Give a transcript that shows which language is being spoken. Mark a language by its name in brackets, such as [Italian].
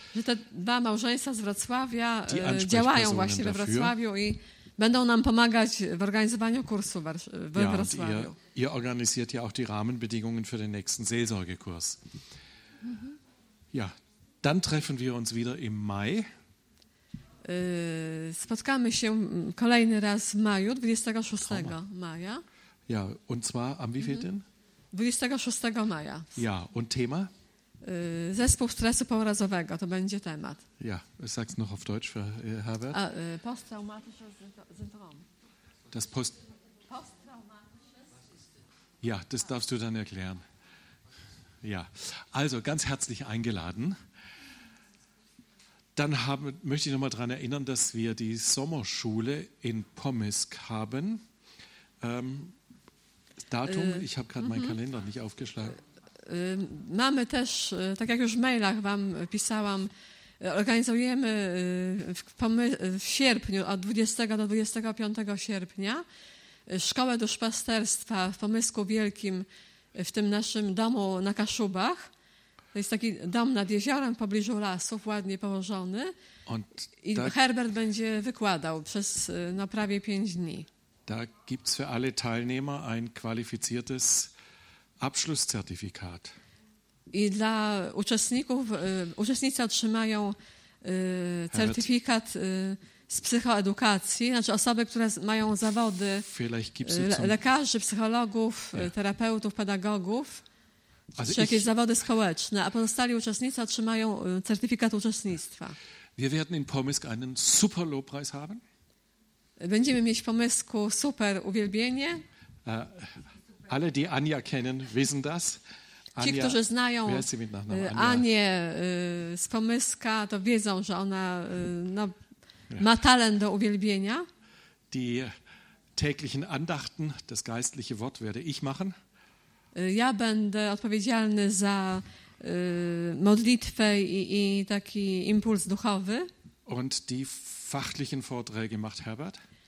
[Polish] Że te dwa małżeństwa z Wrocławia działają właśnie [German] dafür. [Polish] We Wrocławiu i Będą nam pomagać w organizowaniu kursu we Wrocławiu. [German] Ihr organisiert ja auch die Rahmenbedingungen für den nächsten Seelsorgekurs. Ja, dann treffen wir uns wieder im Mai. [Polish] Spotkamy się kolejny raz w maju, 26. maja. [German] Ja, und zwar am wievielten? [Polish] 26. maja. [German] Ja, und Thema? [Polish] Zespół stresu pourazowego, to będzie temat. [German] Ja, ich sag's noch auf Deutsch für Herbert. Posttraumatisches Syndrom. Das Post... Ja, das darfst du dann erklären. Ja, also ganz herzlich eingeladen. Dann möchte ich noch mal daran erinnern, dass wir die Sommerschule in Pomisk haben. Datum, ich habe gerade meinen Kalender nicht aufgeschlagen. [Polish] Mamy też, tak jak już w mailach wam pisałam, organizujemy w sierpniu od 20 do 25 sierpnia szkołę duszpasterstwa w Pomysku Wielkim, w tym naszym domu na Kaszubach. To jest taki dom nad jeziorem, w pobliżu lasów, ładnie położony. I Herbert będzie wykładał przez prawie 5 dni. [German] Da gibt's für alle Teilnehmer ein qualifiziertes Abschlusszertifikat. [Polish] I dla uczestników, uczestnicy otrzymają certyfikat z psychoedukacji, znaczy osoby, które mają zawody lekarzy, psychologów, terapeutów, pedagogów, czy jakieś zawody społeczne, a pozostali uczestnicy otrzymają certyfikat uczestnictwa. [German] Wir werden in Pomysk einen super Lobpreis haben. [Polish] Będziemy mieć w Pomysku super uwielbienie. [German] Alle, die Anja kennen, wissen das. [Polish] Ci, którzy znają Anię z Pomyska, to wiedzą, że ona ma talent do uwielbienia. [German] Die täglichen Andachten, das geistliche Wort, werde ich machen. [Polish] Ja będę odpowiedzialny za modlitwę i taki impuls duchowy. [German] Und die fachlichen Vorträge macht Herbert.